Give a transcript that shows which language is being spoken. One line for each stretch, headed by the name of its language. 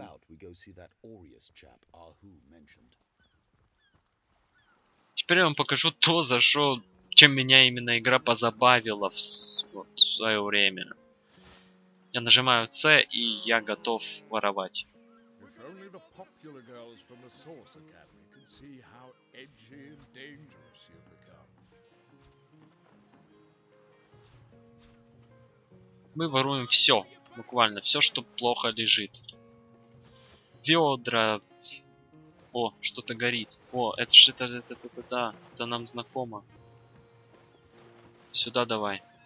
English: How about we go see that Aureus chap Ahu mentioned?
Russian: Теперь я вам покажу то, за что, чем меня именно игра позабавила вот, в свое время. Я нажимаю C, и я готов воровать.
English: If only the popular girls from the Source Academy could see how edgy and dangerous you've become.
Russian: Мы воруем все. Буквально все, что плохо лежит. Ведра. О, что-то горит. О, это что-то, да, это нам знакомо. Сюда давай.